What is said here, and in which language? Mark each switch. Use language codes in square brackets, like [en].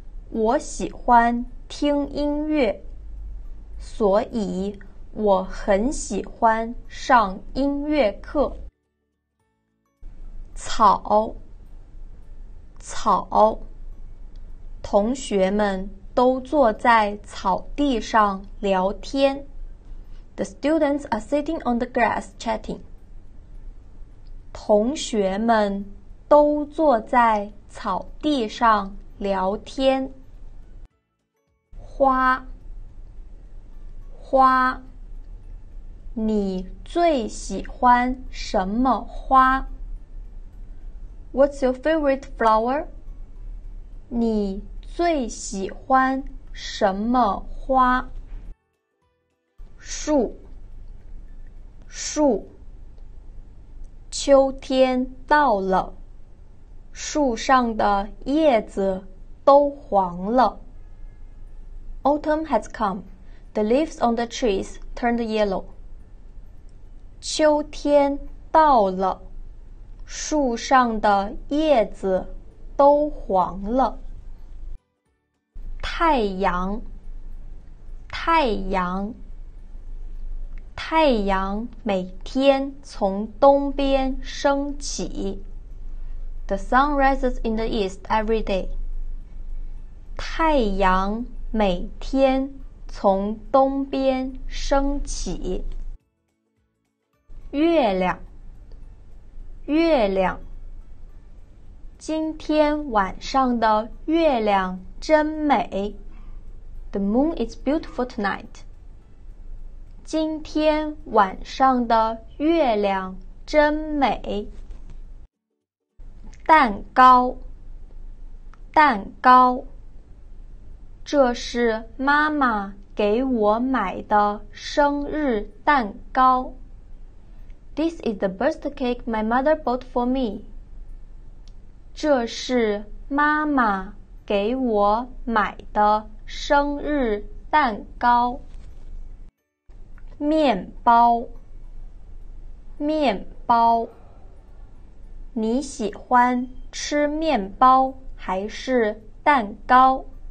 [zh] 我喜欢听音乐，所以我很喜欢上音乐课。草，草，同学们都坐在草地上聊天。 [en] The students are sitting on the grass chatting. [zh] 同学们都坐在草地上聊天。花，花，你最喜欢什么花？ [en] What's your favorite flower? [zh] 你最喜欢什么花？树，树，秋天到了，树上的叶子都黄了。 [en] Autumn has come, the leaves on the trees turned yellow. [zh] 秋天到了，树上的叶子都黄了。太阳，太阳，太阳每天从东边升起。 [en] The sun rises in the east every day. [zh] 太阳每天从东边升起。月亮，月亮，今天晚上的月亮真美。 [en] The moon is beautiful tonight. [zh] 今天晚上的月亮真美。蛋糕，蛋糕，这是妈妈给我买的生日蛋糕。 [en] This is the birthday cake my mother bought for me. [zh] 这是妈妈给我买的生日蛋糕。面包，面包，你喜欢吃面包还是蛋糕？